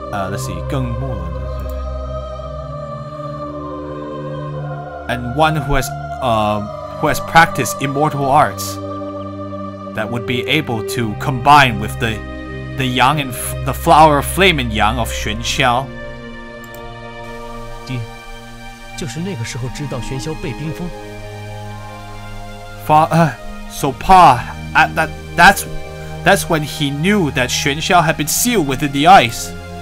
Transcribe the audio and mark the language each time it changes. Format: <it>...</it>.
<en>let's see,</en> <zh>更末轮,</zh> <en>and one who has practiced immortal arts that would be able to combine with the yang and the flower of flame and yang of Xuan Xiao.</en> <zh>爹, 就是那个时候知道玄霄被冰封。</zh> <en>So Pa, that's when he knew that Xuan Xiao had been sealed within the ice.</en>